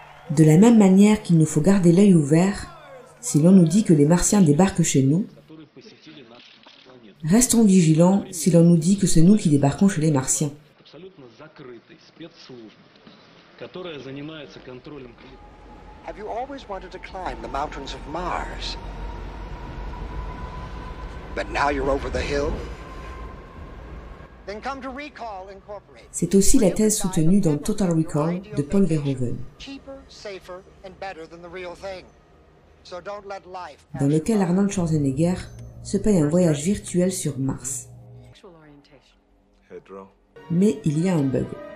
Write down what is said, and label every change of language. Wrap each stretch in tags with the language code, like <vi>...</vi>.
<fr>De la même manière qu'il nous faut garder l'œil ouvert si l'on nous dit que les Martiens débarquent chez nous, restons vigilants si l'on nous dit que c'est nous qui débarquons chez les Martiens.</fr> <en>Have you always wanted to climb the mountains of Mars? But now you're over the hill? Then come to Recall Incorporated.</en> <fr>C'est aussi la thèse soutenue dans Total Recall de Paul Verhoeven.</fr> <en>Cheaper, safer and better than the real thing. So don't let life.</en> <fr>Dans lequel Arnold Schwarzenegger se paye un voyage virtuel sur Mars. Mais il y a un bug.</fr>